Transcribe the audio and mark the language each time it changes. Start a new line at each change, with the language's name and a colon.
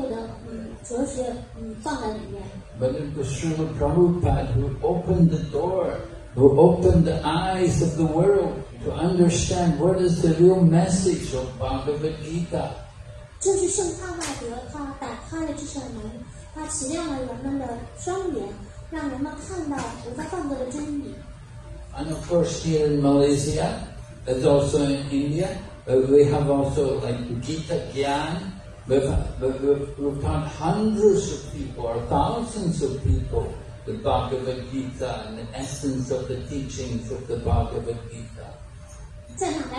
Chinese: 有那么多人为国家范德做评注，但是他们只是把自己的荒谬的哲学放在里面。
English: But it was Srila Prabhupada who opened the door, who opened the eyes of the world to understand what is the real message of Bhagavad Gita.
Chinese: 正是圣帕瓦德他打开了这扇门，他启亮了人们的双眼，让人们看到国家范德的真理。
English: And of course here in Malaysia, it's also in India, we have also like Gita Gyan, we've taught hundreds of people or thousands of people the Bhagavad Gita and the essence of the teachings of the Bhagavad Gita.